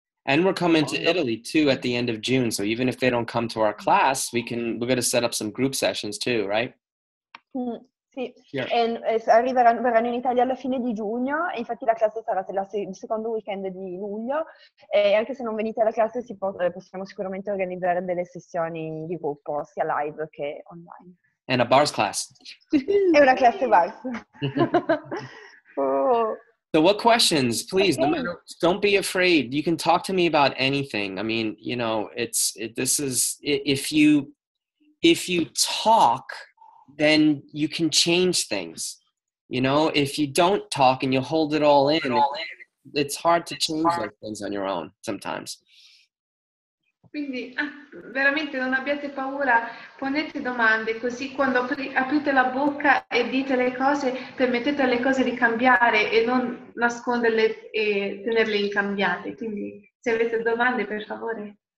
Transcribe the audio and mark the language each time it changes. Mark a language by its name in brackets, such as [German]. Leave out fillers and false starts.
[English] And we're coming to Italy too at the end of June, so even if they don't come to our class, we're going to set up some group sessions too, right? [Italian] Sì, yeah. And arriveranno in Italia alla fine di giugno, e infatti la classe sarà il secondo weekend di luglio, e anche se non venite alla classe possiamo sicuramente organizzare delle sessioni di gruppo, sia live che online. [English] And a bars class. [Italian] E una classe bars. [English] So what questions, please, don't be afraid, you can talk to me about anything, I mean, you know, if you talk, then you can change things. You know, if you don't talk and you hold it all in, it's hard to change like things on your own sometimes. [Italian] Quindi, veramente non abbiate paura, ponete domande, così quando aprite la bocca e dite le cose, permettete alle cose di cambiare e non nasconderle e tenerle incambiate. Quindi, se avete domande, per favore.